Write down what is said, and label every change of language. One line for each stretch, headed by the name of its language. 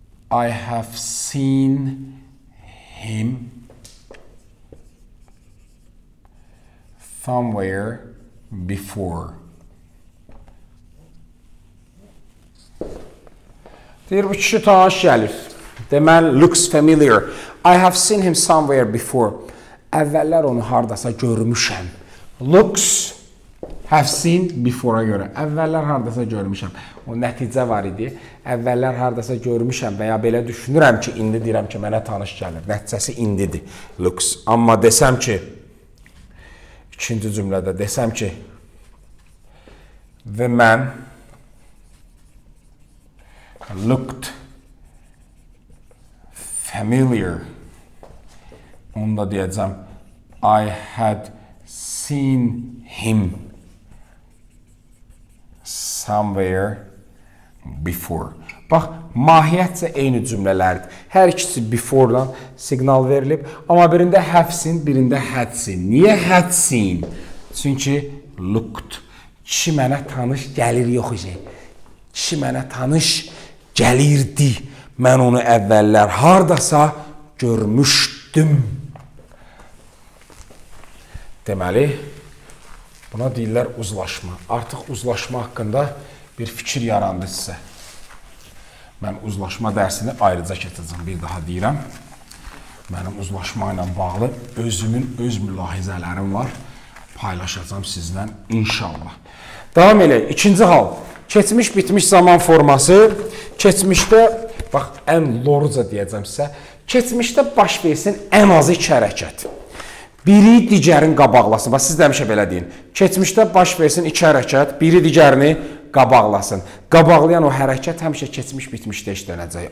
English: I have seen him somewhere before.
Azerbaijani: Deyir, bu kişi tanış gəlir.
English: The man looks familiar. I have seen him somewhere before.
Azerbaijani: Əvvəllər onu haradasa görmüşəm. Looks, have seen, before-a görə. Əvvəllər haradasa görmüşəm. O nəticə var idi. Əvvəllər haradasa görmüşəm və ya belə düşünürəm ki, indi deyirəm ki, mənə tanış gəlir. Nəticəsi indidir, looks. Amma desəm ki, ikinci cümlədə desəm ki,
English: the man looked familiar.
Azerbaijani: Onu da deyəcəm,
English: I had seen him somewhere before.
Azerbaijani: Bax, mahiyyətcə eyni cümlələrdir. Hər ikisi before-dan siqnal verilib. Amma birində have seen, birində had seen. Niyə had seen? Çünki looked. Kişi mənə tanış gəlir yox isə. Kişi mənə tanış gəlirdi. Mən onu əvvəllər haradasa görmüşdüm. Deməli, Buna deyirlər uzlaşma. Artıq uzlaşma haqqında bir fikir yarandı sizə. Mən uzlaşma dərsini ayrıca keçəcəm, bir daha deyirəm. Mənim uzlaşma ilə bağlı özümün öz mülahizələrim var. Paylaşacağım sizden inşallah. Devam edelim. İkinci hal. Keçmiş bitmiş zaman forması. Keçmişdə, bax, ən loruca deyəcəm sizə. Keçmişdə baş versin ən azı iki hərəkət. Biri digərin qabaqlasın. Bax, siz demişə belə deyin. Keçmişdə baş versin iki hərəkət. Biri digərini qabaqlasın. Qabaqlayan o hərəkət həmişə keçmiş bitmişdə işlənəcək.